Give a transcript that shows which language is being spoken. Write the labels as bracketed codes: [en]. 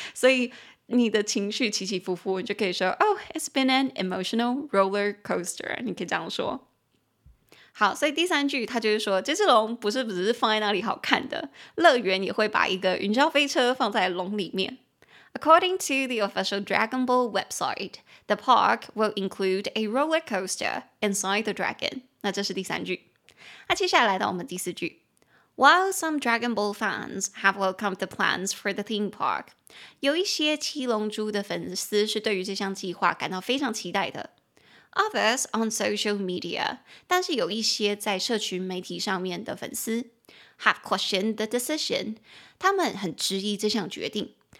[zh] 所以你的情绪起起伏伏，你就可以说 [en] Oh, it's been an emotional roller coaster. [zh] 你可以这样说。好，所以第三句他就是说这只龙不是只是放在那里好看的，乐园也会把一个云霄飞车放在龙里面。 [en] According to the official Dragon Ball website, the park will include a roller coaster inside the dragon. [zh] 那这是第三句。那接下来到我们第四句。 [en] While some Dragon Ball fans have welcomed the plans for the theme park, [zh] 有一些七龙珠的粉丝是对于这项计划感到非常期待的。 [en] Others on social media, [zh] 但是有一些在社群媒体上面的粉丝 [en] have questioned the decision, [zh] 他们很质疑这项决定。